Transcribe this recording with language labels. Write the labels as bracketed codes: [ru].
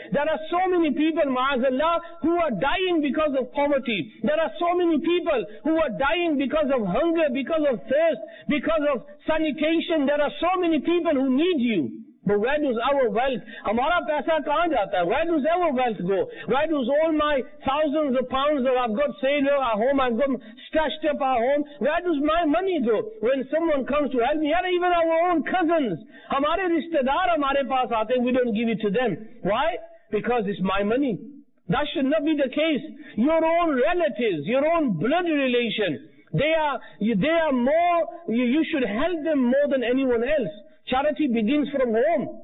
[en] There are so many people, ma'azallah, who are dying because of poverty. There are so many people who are dying because of hunger, because of thirst, because of sanitation. There are so many people who need you. But where does our wealth, [ur] ہمارا پیسہ کہاں جاتا ہے؟ [en] Where does our wealth go? Where does all my thousands of pounds that I've got saved at home, I've got stashed up at home, where does my money go? When someone comes to help me, and even our own cousins, [ur] hamare rishtedar hamare paas aate, [en] we don't give it to them. Why? Because it's my money. That should not be the case. Your own relatives, your own blood relation, they are more, you should help them more than anyone else. Charity begins from home.